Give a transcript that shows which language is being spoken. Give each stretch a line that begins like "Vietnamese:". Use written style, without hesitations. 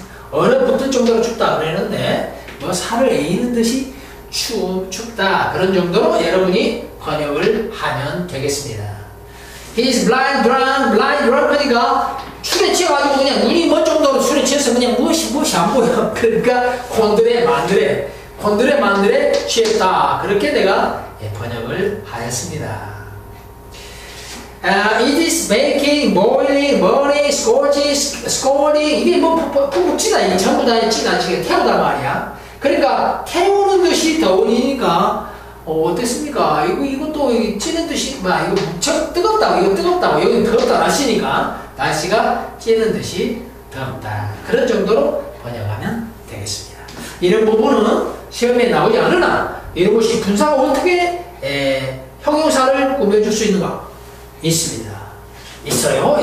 Korean: 얼어붙을 정도로 죽다 그랬는데 뭐 살을 애는 듯이 죽다 그런 정도로 여러분이 번역을 하면 되겠습니다.
English: He's blind, drunk, blind, drunk
Korean: 하니까 술에 취해가지고 그냥 눈이 먼 정도로 술에 취해서 그냥 무엇이 안 보여. 그러니까 곤드레 만드레 취했다 그렇게 내가 번역을 하였습니다.
English: It is baking, boiling, burning, scorching, scalding.
Korean: 이게 뭐 폭폭지다. 이게 전부 다 지다. 지금 태우단 말이야. 그러니까 태우는 듯이 더우니까 어땠습니까? 이것도 찌는 듯이 막 이거 무척 뜨겁다고. 이거 뜨겁다고. 여기 뜨겁다 날씨니까 날씨가 찌는 듯이 더웠다. 그런 정도로 번역하면 되겠습니다. 이런 부분은 시험에 나오지 않으나 이런 것이 분사가 어떻게 형용사를 꾸며줄 수 있는가? 있습니다. 있어요.